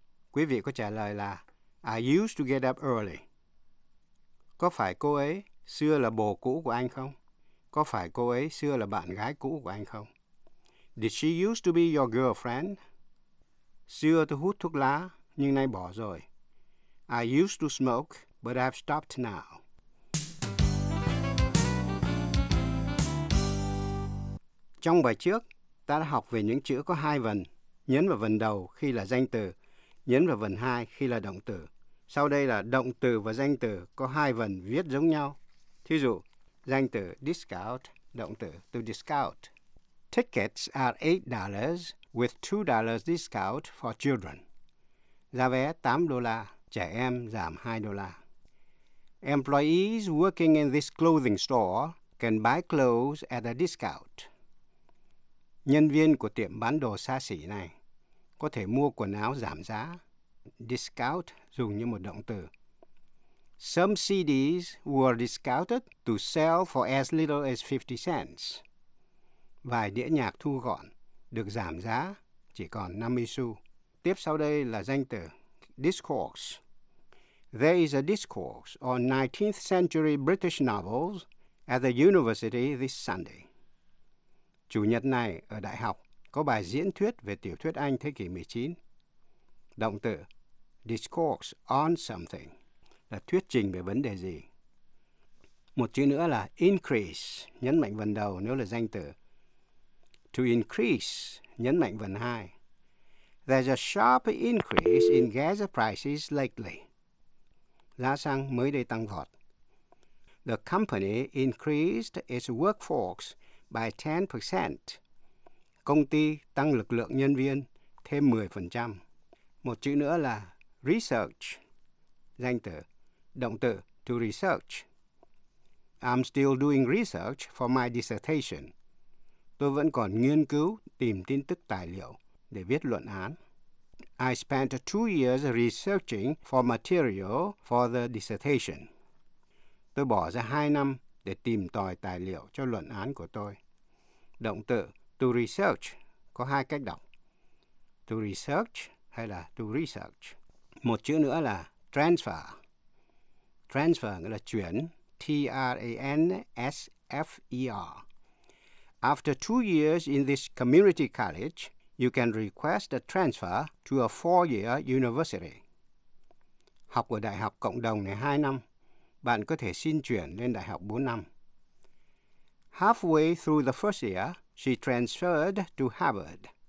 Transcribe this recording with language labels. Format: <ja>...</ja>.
<vi>Quý vị có trả lời là</vi> <en>I used to get up early.</en> <vi>Có phải cô ấy xưa là bồ cũ của anh không? Có phải cô ấy xưa là bạn gái cũ của anh không?</vi> <en>Did she used to be your girlfriend?</en> <vi>Xưa tôi hút thuốc lá, nhưng nay bỏ rồi.</vi> <en>I used to smoke, but I've stopped now.</en> <vi>Trong bài trước, ta đã học về những chữ có hai vần. Nhấn vào vần đầu khi là danh từ, nhấn vào vần hai khi là động từ. Sau đây là động từ và danh từ có hai vần viết giống nhau. Thí dụ, danh từ discount, động từ to discount.</vi> <en>Tickets are $8 with $2 discount for children.</en> <vi>Giá vé $8, trẻ em giảm $2.</vi> <en>Employees working in this clothing store can buy clothes at a discount.</en> <vi>Nhân viên của tiệm bán đồ xa xỉ này có thể mua quần áo giảm giá.</vi> <en>Discount</en> <vi>dùng như một động từ.</vi> <en>Some CDs were discounted to sell for as little as 50 cents.</en> <vi>Vài đĩa nhạc thu gọn được giảm giá chỉ còn 50 xu. Tiếp sau đây là danh từ discourse.</vi> <en>There is a discourse on 19th century British novels at the university this Sunday.</en> <vi>Chủ nhật này ở đại học có bài diễn thuyết về tiểu thuyết Anh thế kỷ 19. Động từ discourse on something là thuyết trình về vấn đề gì. Một chữ nữa là increase, nhấn mạnh vần đầu nếu là danh từ.</vi> <en>To increase,</en> <vi>nhấn mạnh vần hai.</vi> <en>There's a sharp increase in gas prices lately.</en> <vi>Giá xăng mới đây tăng vọt.</vi> <en>The company increased its workforce by 10%.</en> <vi>Công ty tăng lực lượng nhân viên thêm 10%. Một chữ nữa là research, danh từ, động từ, to research.</vi> <en>I'm still doing research for my dissertation.</en> <vi>Tôi vẫn còn nghiên cứu, tìm tin tức tài liệu để viết luận án.</vi> <en>I spent 2 years researching for material for the dissertation.</en> <vi>Tôi bỏ ra 2 năm để tìm tòi tài liệu cho luận án của tôi. Động từ to research có 2 cách đọc. To research hay là to research. Một chữ nữa là transfer. Transfer nghĩa là chuyển.</vi> <en>T-R-A-N-S-F-E-R. After 2 years in this community college, you can request a transfer to a 4-year university.</en> <vi>Học ở đại học cộng đồng này 2 năm, bạn có thể xin chuyển lên đại học 4 năm.</vi> <en>Halfway through the first year, she transferred to Harvard.</en>